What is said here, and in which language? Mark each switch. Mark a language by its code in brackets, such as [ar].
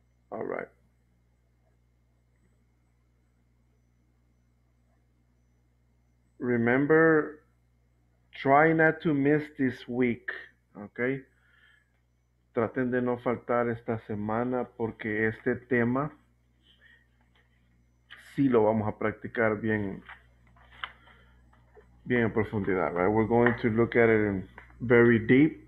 [en] All right. Remember, try not to miss this week, okay? [es] Traten de no faltar esta semana porque este tema sí lo vamos a practicar bien, bien en profundidad, right? [en] We're going to look at it in very deep.